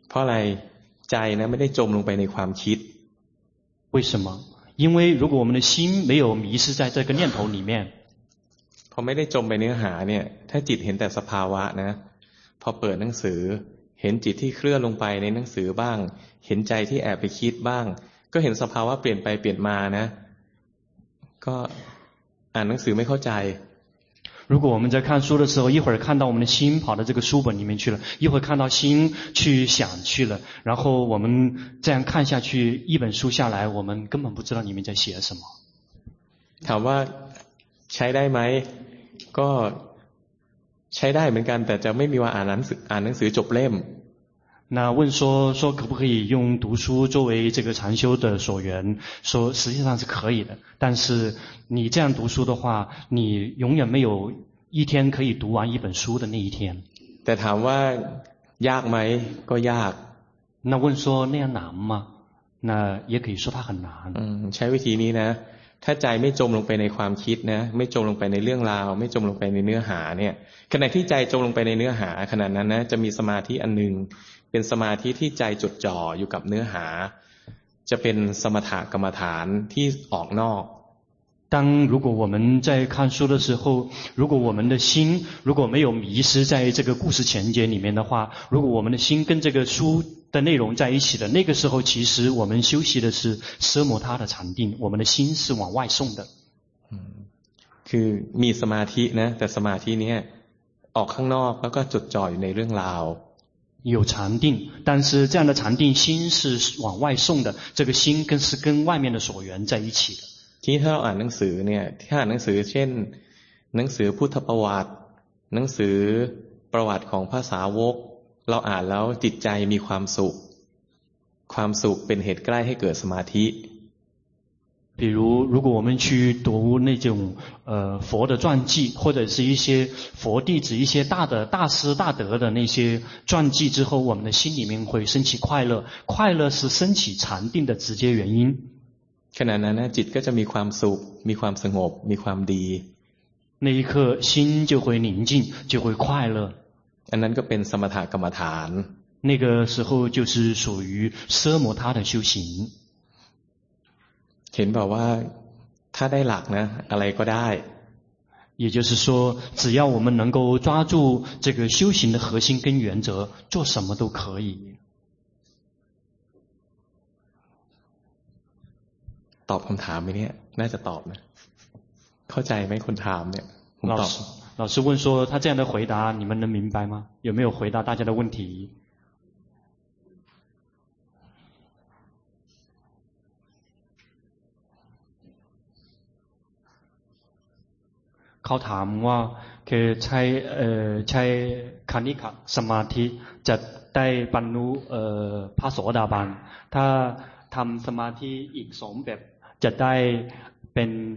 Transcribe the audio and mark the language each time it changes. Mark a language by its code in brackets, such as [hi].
[th] เพราะอะไรใจนะไม่ได้จมลงไปในความคิด [zh] 为什么因为如果我们的心没有迷失在这个念头里面 [th] พอไม่ได้จมไปเนื้อหาเนี่ยถ้าจิตเห็นแต่สภาวะนะพอเปิดหนังสือเห็นจิตที่เคลื่อนลงไปในหนังสือบ้างเห็นใจที่แอบไปคิดบ้างก็เห็นสภาวะเปลี่ยนไปเปลี่ยนมานะก็อ่านหนังสือไม่เข้าใจ [zh] 如果我们在看书的时候一会儿看到我们的心跑到这个书本里面去了一会儿看到心去想去了然后我们这样看下去一本书下来我们根本不知道里面在写什么 [th] ถามว่าใช้ได้ไหมก็ใช้ได้เหมือนกันแต่จะไม่มีว่าอ่านหนังสือจบเล่ม [zh] 那问说说可不可以用读书作为这个禅修的所缘说实际上是可以的但是你这样读书的话你永远没有一天可以读完一本书的那一天 [th] แต่ถามว่ายากไหมก็ยาก [zh] 那问说那样难吗那也可以说它很难 [th] ใช้วิธีนี้นะถ้าใจไม่จมลงไปในความคิดนะไม่จมลงไปในเรื่องราวไม่จมลงไปในเนื้อหาเนี่ยขณะที่ใจจมลงไปในเนื้อหาขณะนั้นนะจะมีสมาธิอันหนึ่งเป็นสมาธิที่ใจจดจ่ออยู่กับเนื้อหาจะเป็นสมถกรรมฐานที่ออกนอก [zh] 当如果我们在看书的时候如果我们的心如果没有迷失在这个故事情节里面的话如果我们的心跟这个书的内容在一起的那个时候其实我们休息的是奢摩他的禅定我们的心是往外送的 [th] คือมีสมาธินะแต่สมาธินี้ออกข้างนอกแล้วก็จดจ่ออยู่ในเรื่องราว [zh] 有禅定但是这样的禅定心是往外送的这个心更是跟外面的所缘在一起的 [th] ทีนี้ถ้าเราอ่านหนังสือเนี่ยถ้าอ่านหนังสือเช่นหนังสือพุทธประวัติหนังสือประวัติของพระสาวกเราอ่านแล้วจิตใจมีความสุขความสุขเป็นเหตุใกล้ให้เกิดสมาธิ [zh] 比如如果我们去读那种佛的传记或者是一些佛弟子一些大的大师大德的那些传记之后我们的心里面会升起快乐快乐是升起禅定的直接原因 [th] ขณะนั้นจิตก็จะมีความสุขมีความสงบมีความดี [zh] 那一刻心就会宁静就会快乐 [th] อันนั้นก็เป็นสมถกรรมฐาน [zh] 那个时候就是属于奢摩他的修行 [th] เห็นบอกว่าถ้าได้หลักนะอะไรก็ได้ [zh] 也就是说只要我们能够抓住这个修行的核心跟原则做什么都可以 [th] ตอบคำถามไหมเนี่ยน่าจะตอบนะเข้าใจไหมคนถามเนี่ยผมตอบ [zh] 老师问说他这样的回答你们能明白吗有没有回答大家的问题 [th] เขาถามว่าคือใช้คานิกะสมาธิจะได้บรรลุพระโสดาบันถ้าทำสมาธิอีกสองแบบจะได้เป็น